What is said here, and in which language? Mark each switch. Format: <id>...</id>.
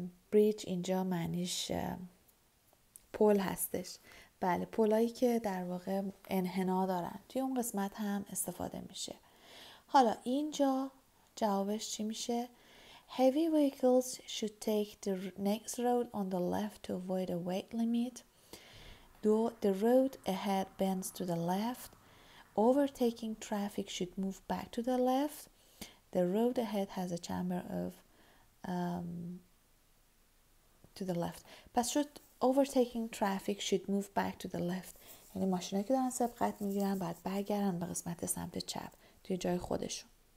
<fa>بریج اینجا معنیش پل هستش، بله پلایی که در واقع انحنا دارن توی اون قسمت هم استفاده میشه. حالا اینجا جوابش چی میشه؟</fa> <en>Heavy vehicles should take the next road on the left to avoid a weight limit. Do the road ahead bends to the left. Overtaking traffic should move back to the left. The road ahead has a chamber of to the left.</en> <fa>پس شد</fa> <en>overtaking traffic should move back to the left.</en> <fa>یعنی ماشینایی که دارن سبقت میگیرن باید برگردن به قسمت سمت چپ توی جای خودشون.</fa>